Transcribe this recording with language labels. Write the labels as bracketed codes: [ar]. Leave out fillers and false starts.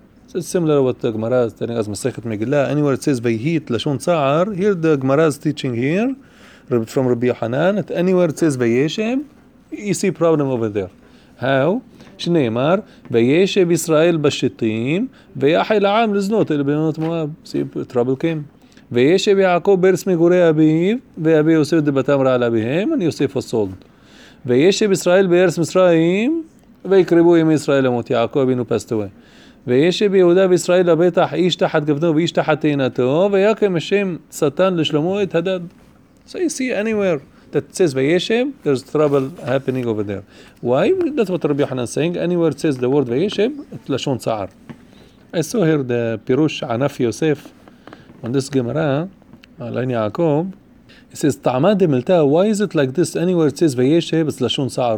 [en] So it's similar to what the Gemara is telling us, Masechet Megillah, anywhere it says [he] V'Yit Lashon Tza'ar, [en] here the Gemara is teaching here, from Rabbi Yohanan, that anywhere it says V'Yeshev, you see problem over there. How? [he] שנאמר, V'Yeshev Yisrael Bashitim, V'Yachay La'am Liznot, אלה בנות מואב, [en] see, trouble came. [he] וישב יעקב בארץ מגורי אביו, ואבי יוסף דבתם רע על אביהם, אני יוסף הסולד. וישב ישראל בארץ מצרים, ויקריבו עם ישראל למות יעקב, אבינו פסטווה. ויש ביהודה וישראל לבטח איש תחת גבנו ואיש תחת תאנתו, ויקם השם שטן לשלמה את הדד. [en] So you see anywhere that says ויישם, there's trouble happening over there. Why? That's what Rabbi Yochanan is saying. Anywhere says the word ויישם, it's לשון צער. I saw here the פירוש ענף יוסף on this Gemara, עליין יעקב. It says, [he] "Ta'ama demilta." [en] Why is it like this? Anywhere it says "Vayeshem," it's lashon sa'ar.